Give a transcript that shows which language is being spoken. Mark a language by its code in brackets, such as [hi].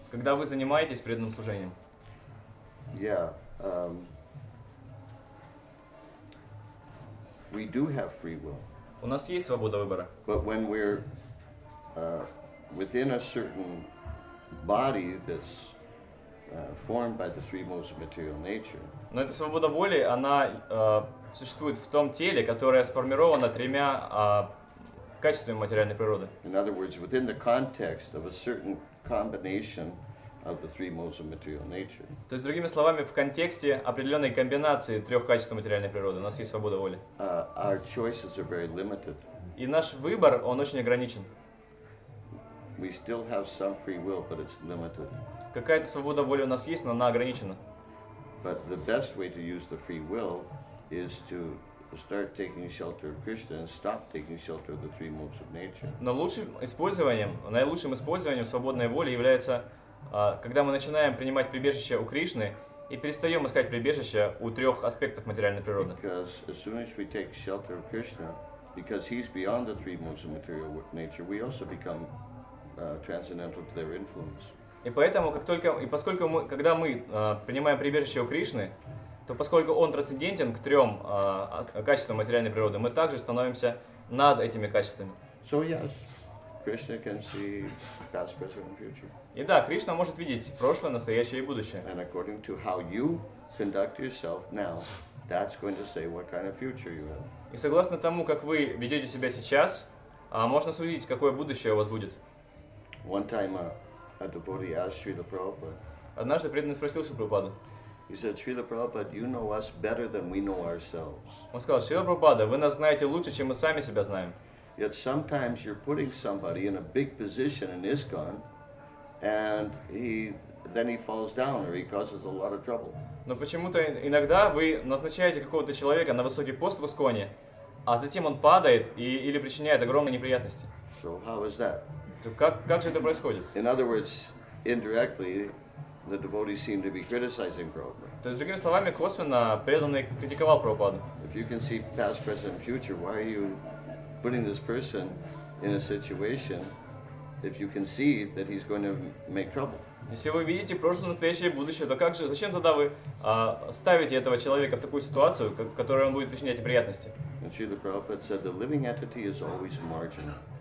[ru] Когда вы занимаетесь преданным служением. [en] Yeah. We do have free will. [ru] У нас есть свобода выбора. [en] But when we're within a certain body that's formed by the three modes of material nature. [ru] Но эта свобода воли, она существует в том теле, которое сформировано тремя качествами материальной природы. [en] In other words, within the context of a certain combination of the three modes of material nature. [ru] То есть, другими словами, в контексте определенной комбинации трех качеств материальной природы у нас есть свобода воли. [en] Our choices are very limited. [ru] И наш выбор, он очень ограничен. [en] We still have some free will, but it's limited. [ru] Какая-то свобода воли у нас есть, но она ограничена. [en] But the best way to use the free will is to start taking shelter of Krishna and stop taking shelter of the three modes of nature. [ru] Но лучшим использованием, наилучшим использованием свободной воли является, когда мы начинаем принимать прибежище у Кришны и перестаем искать прибежище у трех аспектов материальной природы. [en] Because as soon as we take shelter of Krishna, because he's beyond the three modes of material nature, we also become transcendental to their influence. [ru] И поэтому, как только, и поскольку мы, когда мы принимаем прибежище у Кришны, то поскольку он трансцендентен к трем качествам материальной природы, мы также становимся над этими качествами. [en] So yes, Krishna can see past, present, and future. [ru] И да, Кришна может видеть прошлое, настоящее и будущее. [en] And according to how you conduct yourself now, that's going to say what kind of future you have. [ru] И согласно тому, как вы ведете себя сейчас, можно судить, какое будущее у вас будет. [en] One time a devotee asked Srila Prabhupada. [ru] Однажды преданный спросил Шрилу Прабхупаду. [en] He said, Srila Prabhupada, you know us better than we know ourselves. [ru] Он сказал, Шрила Прабхупада, вы нас знаете лучше, чем мы сами себя знаем. [en] Yet sometimes you're putting somebody in a big position in ISKCON, and then he falls down or he causes a lot of trouble. [ru] Но почему-то иногда вы назначаете какого-то человека на высокий пост в ИСККОНе, а затем он падает и или причиняет огромные неприятности. [en] So how is that? [ru] Как же это происходит? [en] In other words, indirectly, the devotees seem to be criticizing Prabhupada. [ru] То есть, другими словами, косвенно преданный критиковал Прабхупаду. [en] If you can see past, present, and future, why are you putting this person in a situation if you can see that he's going to make trouble? [ru] Если вы видите прошлое, настоящее и будущее, то как же, зачем тогда вы ставите этого человека в такую ситуацию, в которой он будет причинять неприятности? [en] And Srila Prabhupada said, the living entity is always marginal.